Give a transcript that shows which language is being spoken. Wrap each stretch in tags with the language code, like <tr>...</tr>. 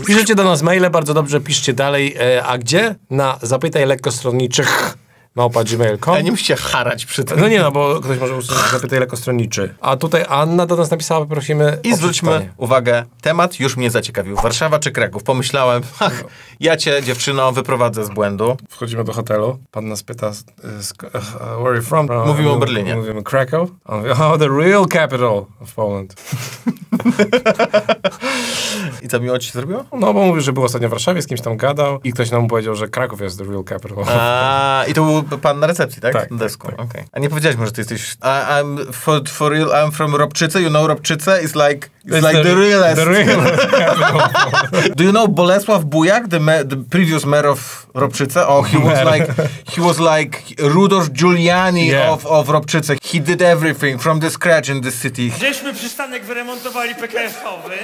<pl>Piszecie do nas maile, bardzo dobrze, piszcie dalej. A gdzie? Na zapytaj lekkostronniczych @gmail.com. Ale nie musicie harać przy tym. No nie, no bo ktoś może usłyszeć zapytaj lekostronniczy. A tutaj Anna do nas napisała, prosimy. I zwróćmy uwagę, temat już mnie zaciekawił. Warszawa czy Kraków? Pomyślałem, ach, ja cię, dziewczyno, wyprowadzę z błędu. Wchodzimy do hotelu.</pl> <en>Pan nas pyta, where are you from?</en> <pl>Mówimy o Berlinie. Mówimy Kraków. On mówi, oh, the real capital of Poland. I co, miło ci się zrobiło? No, bo mówił, że był ostatnio w Warszawie, z kimś tam gadał i ktoś nam powiedział, że Kraków jest the real capital. A, i to był pan na recepcji, tak? Tak. Na desku. Tak, tak. Okay. A nie powiedziałeś mu, że ty jesteś...</pl> <en>I'm for real, I'm from Ropczyce, you know Ropczyce? It's like the realest. The real. Do you know Bolesław Bujak, the previous mayor of Ropczyce? Oh, he was like Rudolf Giuliani, yeah, of Ropczyce. He did everything from the scratch in the city.</en> <pl>Gdzieśmy przystanek wyremontowali PKF-owy?</pl>